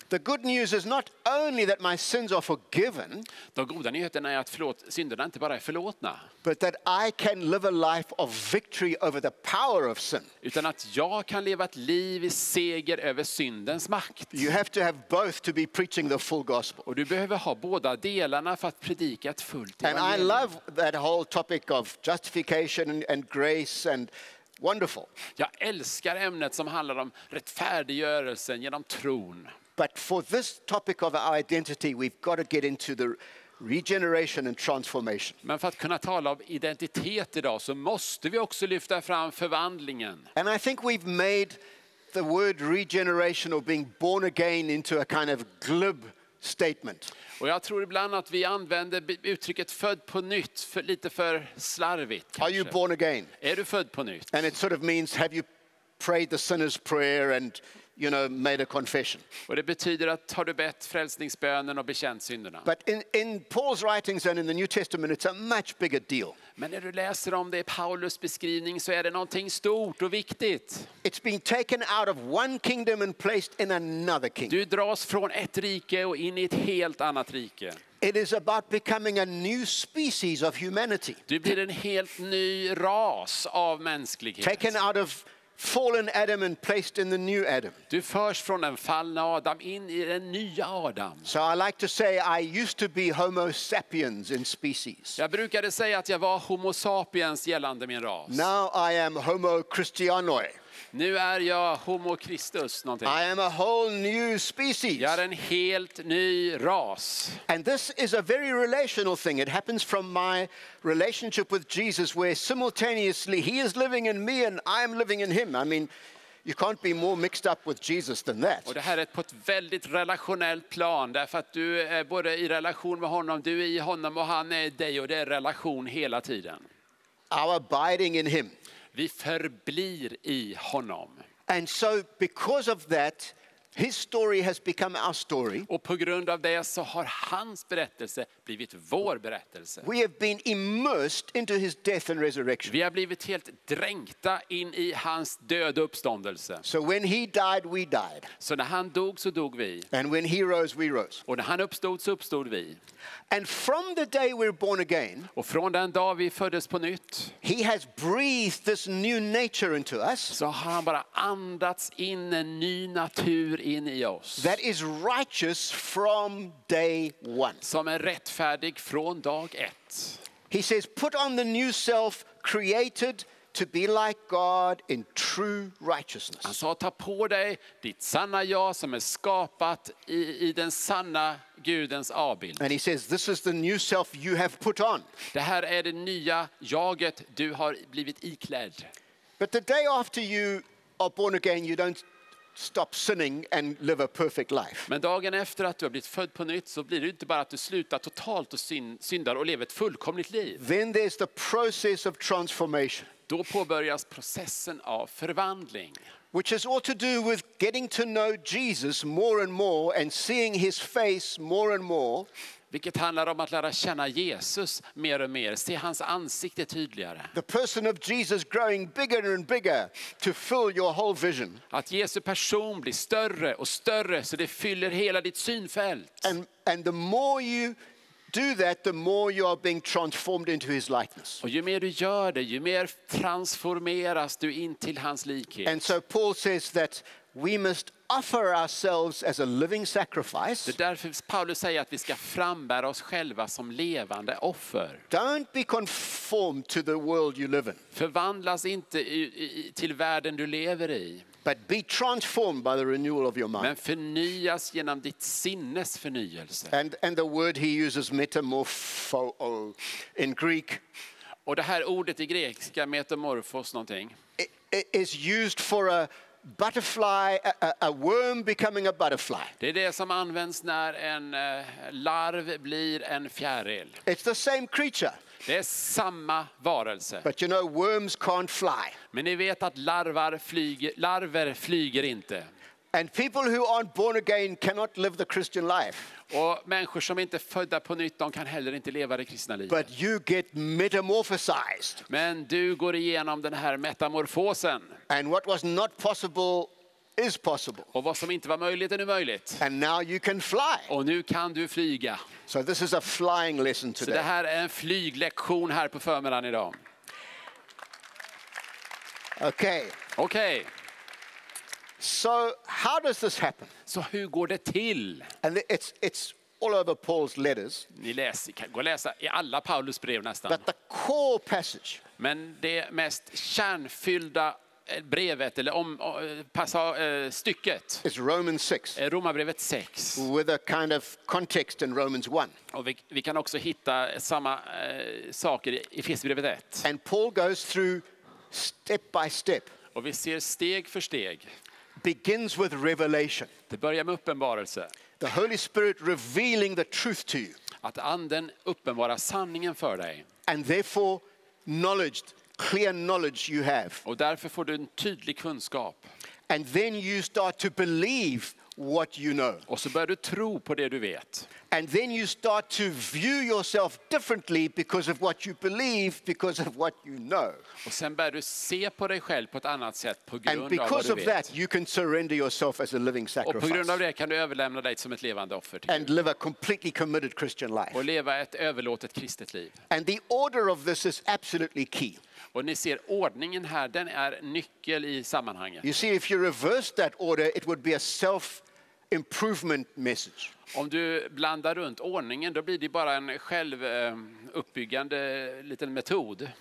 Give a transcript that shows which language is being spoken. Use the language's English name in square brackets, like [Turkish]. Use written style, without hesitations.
[English] The good news is not only that my sins are forgiven. [Swedish] De goda nyheterna är att synderna inte bara är förlåtna. [English] But that I can live a life of victory over the power of sin. [Swedish] Utan att jag kan leva ett liv i seger över syndens makt. [English] You have to have both to be preaching the full gospel. [Swedish] Och du behöver ha båda delarna för att predika ett fullt evangelium. [English] And I love that whole topic of justification and grace and wonderful. [Swedish] Jag älskar ämnet som handlar om rättfärdiggörelsen genom tron. [English] But for this topic of our identity, we've got to get into the regeneration and transformation. [Swedish] Men för att kunna tala om identitet idag så måste vi också lyfta fram förvandlingen. [English] And I think we've made the word regeneration or being born again into a kind of glib statement. [Swedish] Och jag tror ibland att vi använder uttrycket född på nytt för lite för slarvigt. [English] Are you born again? [Swedish] Är du född på nytt? [English] And it sort of means have you prayed the sinner's prayer and you know made a confession. [Swedish] Och det betyder att har du bett frälsningsbönen och bekänt synderna. [English] But in Paul's writings and in the New Testament it's a much bigger deal. [Swedish] Men när du läser om det i Paulus beskrivning så är det någonting stort och viktigt. [English] It's been taken out of one kingdom and placed in another kingdom. [Swedish] Du dras från ett rike och in i ett helt annat rike. [English] It is about becoming a new species of humanity. [Swedish] Du blir en helt ny ras av mänsklighet. [English] Taken out of fallen Adam and placed in the new Adam. [Swedish] Du förs från den fallna Adam in i den nya Adam. [English] So I like to say I used to be Homo sapiens in species. [Swedish] Jag brukade säga att jag var Homo sapiens gällande min ras. [English] Now I am Homo Christianoi. [Swedish] Nu är jag Homo Christus någonting. [English] I am a whole new species. [Swedish] Jag är en helt ny ras. [English] And this is a very relational thing. It happens from my relationship with Jesus where simultaneously he is living in me and I am living in him. I mean, you can't be more mixed up with Jesus than that. [Swedish] Och det här är på ett väldigt relationellt plan därför att du är både i relation med honom, du är i honom och han är i dig och det är relation hela tiden. [English] Our abiding in him. [Swedish] Vi förblir I honom. [English] And so because of that his story has become our story. [Swedish] Och på grund av det så har hans berättelse blivit vår berättelse. [English] We have been immersed into his death and resurrection. [Swedish] Vi har blivit helt dränkta in I hans död och uppståndelse. [English] So when he died we died. [Swedish] Så när han dog så dog vi. [English] And when he rose we rose. [Swedish] Och när han uppstod så uppstod vi. [English] And from the day we're born again, [Swedish] och från den dag vi föddes på nytt, [English] he has breathed this new nature into us. [Swedish] Så har han bara andats in en ny natur in I oss. [English] That is righteous from day one. [Swedish] Som är rättfärdig från dag ett. [English] He says, "Put on the new self, created to be like God in true righteousness." [Swedish] Han sa, ta på dig ditt sanna jag som är skapat I den sanna Gudens avbild. [English] And he says, "This is the new self you have put on." [Swedish] Det här är det nya jaget du har blivit iklädd. [English] But the day after you are born again, you don't stop sinning and live a perfect life. [Swedish] Men dagen efter att du har blivit född på nytt så blir det inte bara att du slutar totalt och syndar och lever ett fullkomligt liv. [English] Then there's the process of transformation. [Swedish] Då påbörjas processen av förvandling. [English] Which has all to do with getting to know Jesus more and more and seeing his face more and more. [Swedish] Vilket handlar om att lära känna Jesus mer och mer, se hans ansikte tydligare. [English] The person of Jesus growing bigger and bigger to fill your whole vision. [Swedish] Att Jesu person blir större och större så det fyller hela ditt synfält. [English] And the more you do that, the more you are being transformed into his likeness. [Swedish] Och ju mer du gör det, ju mer transformeras du in till hans likhet. [English] And so Paul says that we must offer ourselves as a living sacrifice. [Swedish] Det är därför Paulus säger att vi ska frambära oss själva som levande offer. [English] Don't be conformed to the world you live in. [Swedish] Förvandlas inte till världen du lever I. [English] But be transformed by the renewal of your mind. [Swedish] Men förnyas genom ditt sinnes förnyelse. [English] And the word he uses metamorpho in Greek. [Swedish] Och det här ordet I grekiska metamorphos någonting. [English] Is used for a butterfly, a worm becoming a butterfly. [Swedish] Det är det som används när en larv blir en fjäril. [English] It's the same creature. [Swedish] Det är samma varelse. [English] But you know, worms can't fly. [Swedish] Men ni vet att larver flyger inte. [English] And people who aren't born again cannot live the Christian life. [Swedish] Och människor som inte är födda på nytt, de kan heller inte leva det kristna livet. [English] But you get metamorphosized. [Swedish] Men du går igenom den här metamorfosen. [English] And what was not possible is possible. [Swedish] Och vad som inte var möjligt är nu möjligt. [English] And now you can fly. [Swedish] Och nu kan du flyga. [English] So this is a flying lesson today. [Swedish] Så det här är en flyglektion här på förmiddagen idag. [English] Okay. [Swedish] Okay. [English] So how does this happen? [Swedish] Så hur går det till? [English] And it's all over Paul's letters. [Swedish] Ni läser, kan gå läsa I alla Paulus brev nästan. [English] But the core passage. [Swedish] Men det mest kärnfyllda brevet eller om passa stycket. [English] Is Romans 6. [Swedish] Är Romarbrevet 6. [English] With a kind of context in Romans 1. [Swedish] Och vi kan också hitta samma saker I Efesierbrevet 1. [English] And Paul goes through step by step. [Swedish] Och vi ser steg för steg. [English] begins with revelation. [Swedish] Det börjar med uppenbarelse. [English] The Holy Spirit revealing the truth to you. [Swedish] Att anden uppenbara sanningen för dig. [English] And therefore knowledge, clear knowledge you have. [Swedish] Och därför får du en tydlig kunskap. [English] And then you start to believe what you know. [Swedish] Och så börjar du tro på det du vet. [English] And then you start to view yourself differently because of what you believe, because of what you know. [Swedish] Och sen börjar du se på dig själv på ett annat sätt på grund av vad du vet. [English] And because of that you can surrender yourself as a living sacrifice. [Swedish] Och på grund av det kan du överlämna dig som ett levande offer till Gud. [English] And live a completely committed Christian life. [Swedish] Och leva ett överlåtet kristet liv. [English] And the order of this is absolutely key. [Swedish] Och ni ser ordningen här, den är nyckel I sammanhanget. [English] You see, if you reverse that order, it would be a self-improvement message. [Swedish] Om du blandar runt ordningen, då blir det bara en själv uppbyggande liten metod.